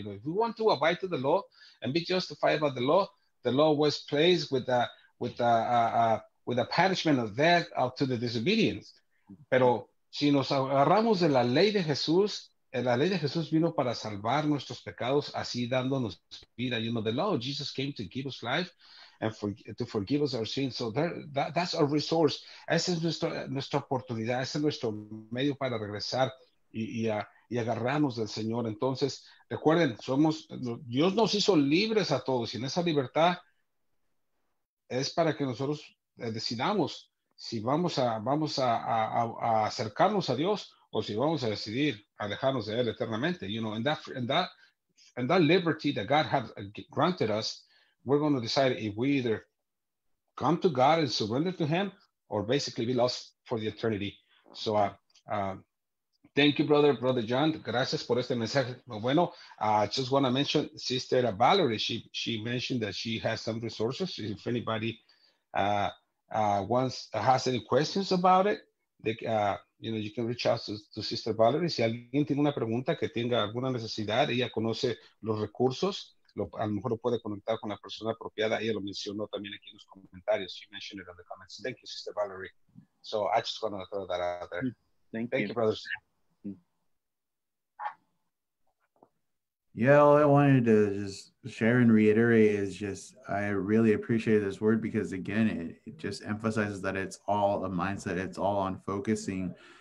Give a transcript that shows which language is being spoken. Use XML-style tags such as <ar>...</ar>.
<en>You know, if we want to abide to the law and be justified by the law was placed with a punishment of death to the disobedience.</en> <es>Pero si nos agarramos de la ley de Jesús, la ley de Jesús vino para salvar nuestros pecados, así dándonos vida.</es> <en>You know, the law of Jesus came to give us life and to forgive us our sins. So that's our resource.</en> <es>Esa es nuestra oportunidad. Ese es nuestro medio para regresar y agarrarnos del Señor. Entonces, recuerden, Dios nos hizo libres a todos. Y en esa libertad es para que nosotros decidamos si vamos a acercarnos a Dios o si vamos a decidir alejarnos de Él eternamente.</es> <en>You know, and that liberty that God has granted us, we're going to decide if we either come to God and surrender to him or basically be lost for the eternity. So, thank you, Brother John.</en> <es>Gracias por este mensaje. Bueno,</es> <en>I just want to mention</en> <es>Sister Valerie.</es> <en>She mentioned that she has some resources. If anybody has any questions about it, you can reach out to Sister Valerie.</en> <es>Si alguien tiene una pregunta que tenga alguna necesidad, ella conoce los recursos. A lo mejor lo puede conectar con la persona apropiada. Ella lo mencionó también aquí en los comentarios.</es> <en>She mentioned it in the comments. Thank you, Sister Valerie. So I just want to throw that out there. Thank you, brothers. Yeah, all I wanted to just share and reiterate is just I really appreciate this word because, again, it just emphasizes that it's all a mindset. It's all on focusing</en>